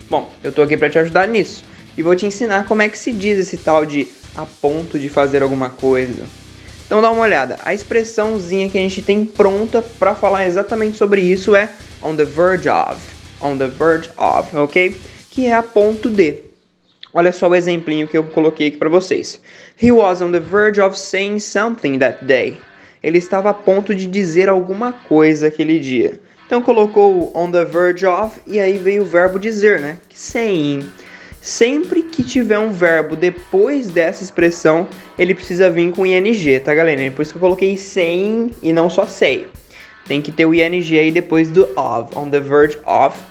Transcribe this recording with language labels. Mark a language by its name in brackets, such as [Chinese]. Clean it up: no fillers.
[Portuguese] Bom, eu tô aqui pra te ajudar nisso, e vou te ensinar como é que se diz esse tal de a ponto de fazer alguma coisa. Então dá uma olhada, a expressãozinha que a gente tem pronta pra falar exatamente sobre isso é on the verge of, ok? Que é a ponto de. Olha só o exemplinho que eu coloquei aqui pra vocês. [English] He was on the verge of saying something that day. [Portuguese] Ele estava a ponto de dizer alguma coisa aquele dia. Então colocou on the verge of e aí veio o verbo dizer, né? Saying. Sempre que tiver um verbo depois dessa expressão, ele precisa vir com ing, tá, galera? Por isso que eu coloquei saying e não só say. Tem que ter o ing aí depois do of, on the verge of.